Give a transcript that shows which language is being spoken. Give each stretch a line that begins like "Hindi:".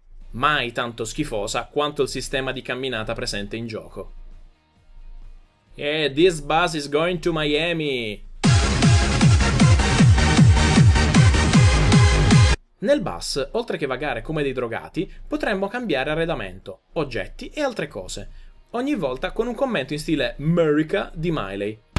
Italian: Mai tanto schifosa quanto il sistema di camminata presente in gioco.
English: Yeah, this bus is going to Miami!
Italian: Nel bus, oltre che vagare come dei drogati, potremmo cambiare arredamento, oggetti e altre cose. Ogni volta con un commento in stile America di Miley.